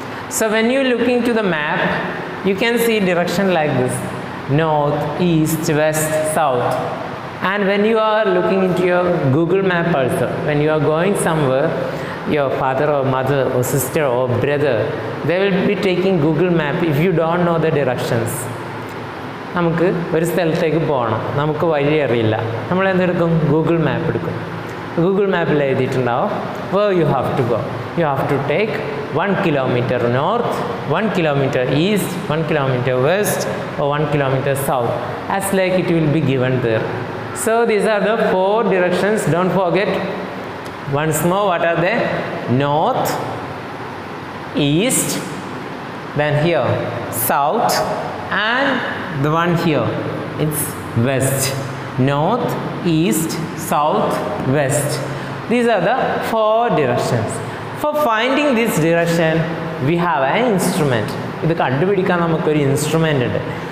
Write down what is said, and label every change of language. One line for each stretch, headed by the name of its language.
English: So when you look into the map, you can see direction like this: north, east, west, south. And when you are looking into your Google map also, when you are going somewhere, your father or mother or sister or brother, they will be taking Google map if you don't know the directions.
Malayalam: നമുക്ക് ഒരു സ്ഥലത്തേക്ക് പോകണം, നമുക്ക് വഴി അറിയില്ല, നമ്മൾ എന്തെടുക്കും? Google map എടുക്കും. Google മാപ്പിൽ എഴുതിയിട്ടുണ്ടാവും
English: Where you have to go. You have to take 1 kilometer north, 1 kilometer east, 1 kilometer west, or 1 kilometer south. As like it will be given there. So these are the four directions. Don't forget once more, what are the? North, east, then here south, and the one here, it's west. North, east, south, west. These are the four directions. For finding this direction, we have an instrument.
Malayalam: ഇത് കണ്ടുപിടിക്കാൻ നമുക്കൊരു instrument ഉണ്ട്.